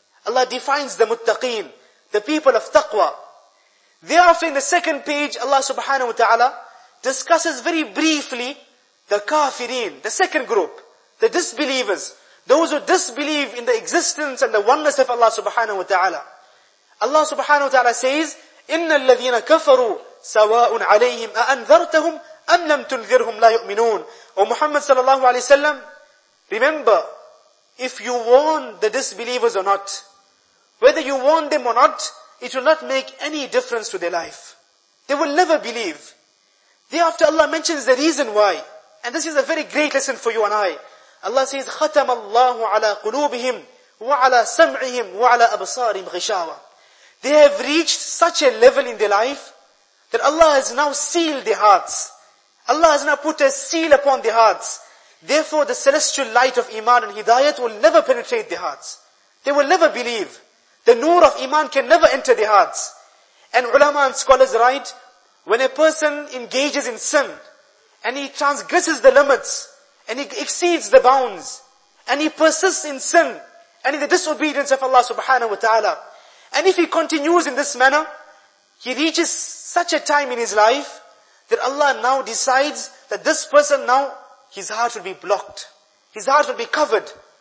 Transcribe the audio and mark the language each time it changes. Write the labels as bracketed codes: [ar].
[en] Allah defines the muttaqeen, the people of taqwa. Thereafter in the second page, Allah subhanahu wa ta'ala discusses very briefly the kafirin, the second group, the disbelievers, those who disbelieve in the existence and the oneness of Allah subhanahu wa ta'ala. Allah subhanahu wa ta'ala says, [ar] إِنَّ الَّذِينَ كَفَرُوا سَوَاءٌ عَلَيْهِمْ أَأَنذَرْتَهُمْ أَمْ لَمْ تُنذِرْهُمْ لَا يُؤْمِنُونَ. [en] O Muhammad sallallahu alayhi wa sallam, remember, if you warn the disbelievers or not, whether you warn them or not, it will not make any difference to their life. They will never believe. Thereafter Allah mentions the reason why. And this is a very great lesson for you and I. Allah says, [ar] خَتَمَ اللَّهُ عَلَىٰ قُلُوبِهِمْ وَعَلَىٰ سَمْعِهِمْ وَعَلَىٰ أَبْصَارِهِمْ غِشَاوَةً. [en] They have reached such a level in their life that Allah has now sealed their hearts. Allah has now put a seal upon their hearts. Therefore, the celestial light of Iman and Hidayat will never penetrate their hearts. They will never believe. The nur of Iman can never enter their hearts. And ulama and scholars write, when a person engages in sin, and he transgresses the limits, and he exceeds the bounds, and he persists in sin, and in the disobedience of Allah subhanahu wa ta'ala, and if he continues in this manner, he reaches such a time in his life, that Allah now decides that this person now, his heart will be blocked. His heart will be covered.